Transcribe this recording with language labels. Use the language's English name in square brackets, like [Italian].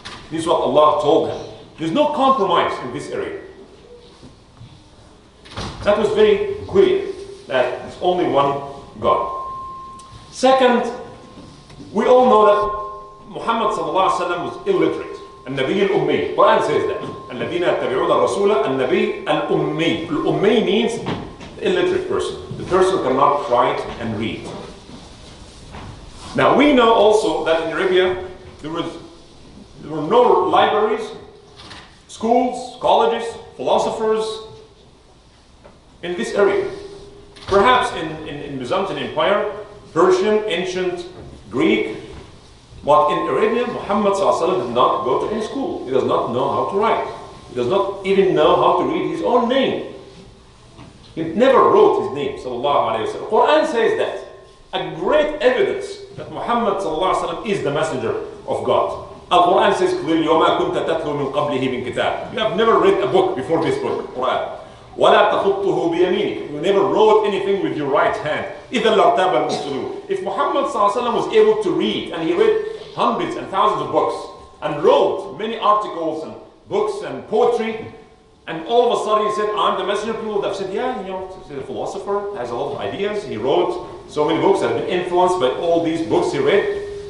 [English] This is what Allah told him. There's no compromise in this area. That was very clear, that there's only one God. Second, we all know that Muhammad sallallahu alaihi wasallam was illiterate. [Arabic] An-Nabi al-Ummi, [English] Quran says that. A [Arabic] الذين يتبعون الرسول النبي الأمي. [English] الأمي means illiterate person. The person cannot write and read. Now we know also that in Arabia there were no libraries, schools, colleges, philosophers in this area. Perhaps in Byzantine Empire, Persian, ancient Greek, but in Arabia, Muhammad sallallahu alaihi wasallam did not go to any school. He does not know how to write. He does not even know how to read his own name. He never wrote his name, sallallahu alaihi wasallam. Quran says that a great evidence that Muhammad sallallahu alaihi wasallam is the messenger of God. Al Quran says clearly, [Arabic] وَمَا كُنْتَ تَتْلُو مِنْ قَبْلِهِ مِنْ كِتَابٍ. [English] You have never read a book before this book, Quran. [Arabic] وَلَا تَخُطُّهُ بِيَمِينِكَ. [English] You never wrote anything with your right hand. [Arabic] إِذَا لَرْتَابَ الْمُسْلُو. [English] If Muhammad sallallahu alaihi wasallam was able to read, and he read hundreds and thousands of books, and wrote many articles and books and poetry, and all of a sudden he said, I'm the messenger, people would have said, yeah, you know, he's a philosopher, has a lot of ideas, he wrote so many books, has been influenced by all these books he read.